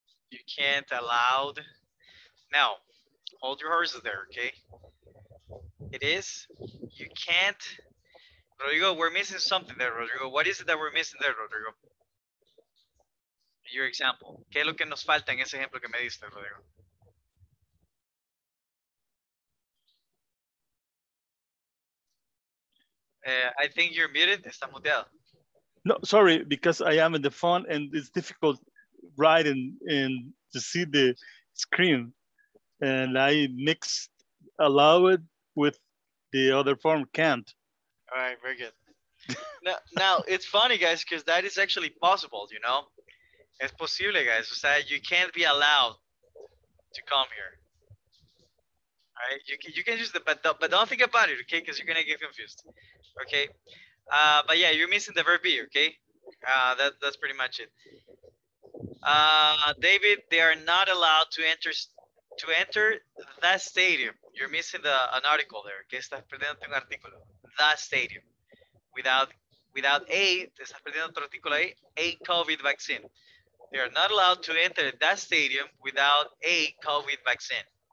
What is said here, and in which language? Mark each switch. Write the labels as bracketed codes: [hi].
[en] You can't allowed. Now, hold your horses there, okay? It is, you can't. Rodrigo, we're missing something there, Rodrigo. What is it that we're missing there, Rodrigo? Your example. [es] ¿Qué es lo que nos falta en ese ejemplo que me diste, Rodrigo? [en] I think you're muted, [es] está muteado. [en] No, sorry, because I am in the phone and it's difficult writing in to see the screen, and I mixed allow it with the other form can't. All right, very good. now it's funny, guys, because that is actually possible, you know? [es] Es posible, [en] guys, so that you can't be allowed to come here. All right, you can use the but don't think about it, okay? Because you're gonna get confused, okay? But yeah, you're missing the verb be, okay? That's pretty much it. David, they are not allowed to enter that stadium. You're missing an article there. [es] Que estás perdiendo un artículo. [en] That stadium. [es] Without a, te estás perdiendo otro artículo ahí, [en] a COVID vaccine. They are not allowed to enter that stadium without a COVID vaccine.